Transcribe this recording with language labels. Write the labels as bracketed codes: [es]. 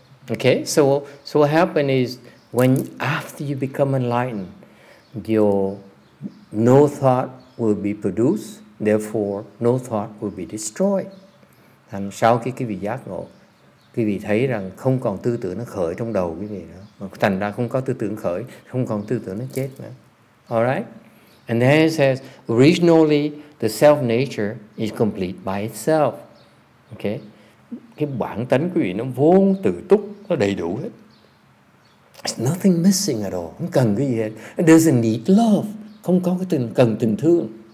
[en] Okay, so what happened is when after you become enlightened, your no thought will be produced, therefore no thought will be destroyed. [vi] Thành sau khi quý vị giác ngộ, quý vị thấy rằng không còn tư tưởng nó khởi trong đầu quý vị nữa. Thành ra không có tư tưởng khởi, không còn tư tưởng nó chết nữa. [en] All right? And then it says, originally the self nature is complete by itself. Okay? [vi] Cái bản tánh quý vị nó vốn tự túc, nó đầy đủ hết. [en] It's nothing missing at all. [vi] Không cần cái gì hết. [en] It doesn't need love. [vi] Không có cái tình, cần tình thương.